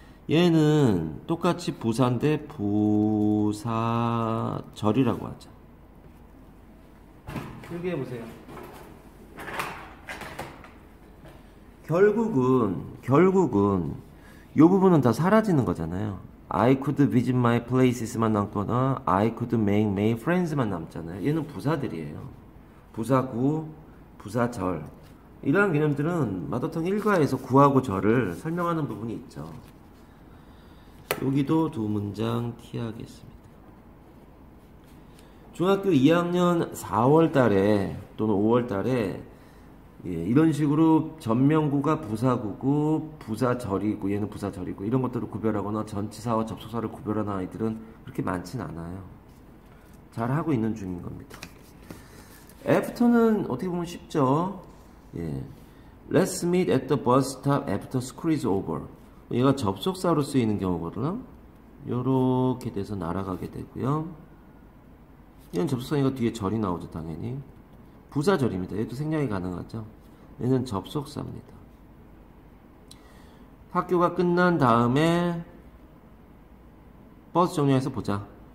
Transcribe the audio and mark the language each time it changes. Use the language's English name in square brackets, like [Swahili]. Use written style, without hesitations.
[Korean] 얘는 똑같이 부사인데 부사절이라고 하죠. 여기 해보세요. 결국은 이 부분은 다 사라지는 거잖아요. [English] I could visit my places만 [Korean] 남거나 [English] I could make many friends만 [Korean] 남잖아요. 얘는 부사들이에요. 부사구, 부사절. 이러한 개념들은 마더텅 1과에서 구하고 절을 설명하는 부분이 있죠. 여기도 두 문장 티하겠습니다. 중학교 2학년 4월 달에 또는 5월 달에 예, 이런 식으로 전면구가 부사구고 부사절이고 얘는 부사절이고 이런 것들을 구별하거나 전치사와 접속사를 구별하는 아이들은 그렇게 많진 않아요. 잘 하고 있는 중인 겁니다. After는 어떻게 보면 쉽죠. 예. [English] Let's meet at the bus stop after school is over. [Korean] 얘가 접속사로 쓰이는 경우거든요. 요렇게 돼서 날아가게 되고요. 얘는 접속사니까 뒤에 절이 나오죠, 당연히. 부사절입니다. 얘도 생략이 가능하죠. 얘는 접속사입니다. 학교가 끝난 다음에 버스 정류장에서 보자.